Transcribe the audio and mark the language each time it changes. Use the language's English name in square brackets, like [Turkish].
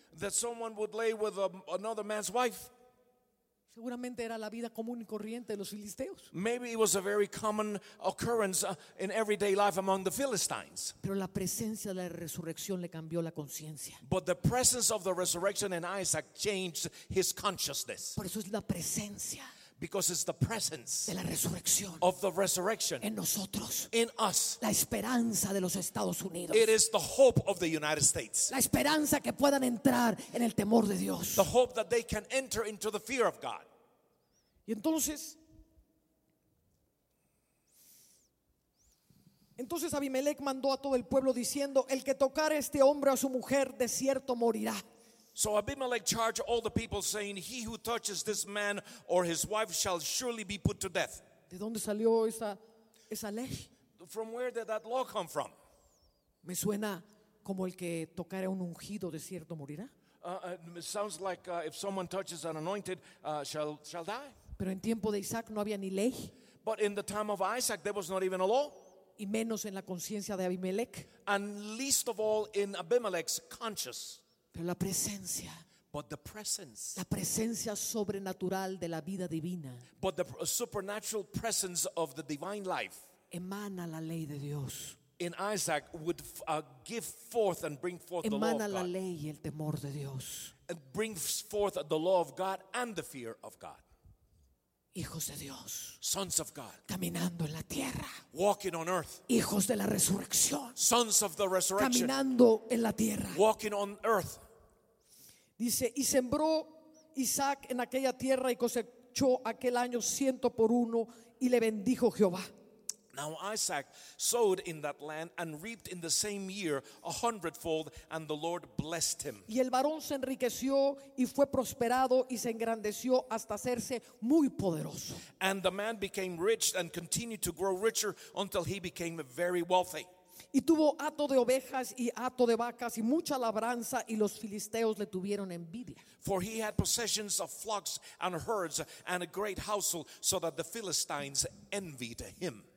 [English] That someone would lay with another man's wife. [Spanish] Seguramente era la vida común y corriente de los filisteos. [English] Maybe it was a very common occurrence in everyday life among the Philistines. [Spanish] Pero la presencia de la resurrección le cambió la conciencia. [English] But the presence of the resurrection in Isaac changed his consciousness. [Spanish] Por eso es la presencia. [English] Because it's the presence [Spanish] de la resurrección [English] of the resurrection [Spanish] en nosotros. [English] In us. [Spanish] La esperanza de los Estados Unidos. [English] It is the hope of the United States. [Spanish] La esperanza que puedan entrar en el temor de Dios. [English] The hope that they can enter into the fear of God. [Spanish] Y entonces Abimelec mandó a todo el pueblo diciendo, el que tocare a este hombre o a su mujer de cierto morirá. [English] So Abimelech charged all the people, saying, he who touches this man or his wife shall surely be put to death. [Spanish] ¿De dónde salió esa ley? [English] From where did that law come from? [Spanish] Me suena como el que tocare un ungido de cierto morirá. [English] It sounds like if someone touches an anointed, shall die. [Spanish] Pero en tiempo de Isaac no había ni ley. [English] But in the time of Isaac, there was not even a law. [Spanish] Y menos en la conciencia de Abimelech. [English] And least of all in Abimelech's conscience. [Spanish] Pero la presencia, [English] but the presence, [Spanish] la presencia sobrenatural de la vida divina, [English] but the supernatural presence of the divine life, [Spanish] emana la ley de Dios. [English] In Isaac would give forth and bring forth [Spanish] emana [English] the law of God. [Spanish] Emana la ley y el temor de Dios. [English] It brings forth the law of God and the fear of God. [Spanish] Hijos de Dios. [English] Sons of God. [Spanish] Caminando en la tierra. [English] Walking on earth. [Spanish] Hijos de la resurrección. [English] Sons of the resurrection. [Spanish] Caminando en la tierra. [English] Walking on earth. [Spanish] Dice, y sembró Isaac en aquella tierra y cosechó aquel año 100 por 1 y le bendijo Jehová. [English] Now Isaac sowed in that land and reaped in the same year 100-fold and the Lord blessed him. [Spanish] Y el varón se enriqueció y fue prosperado y se engrandeció hasta hacerse muy poderoso. [English] And the man became rich and continued to grow richer until he became very wealthy. [Spanish] Y tuvo hato de ovejas y hato de vacas y mucha labranza y los filisteos le tuvieron envidia. [English] For he had possessions of flocks and herds and a great household so that the Philistines envied him.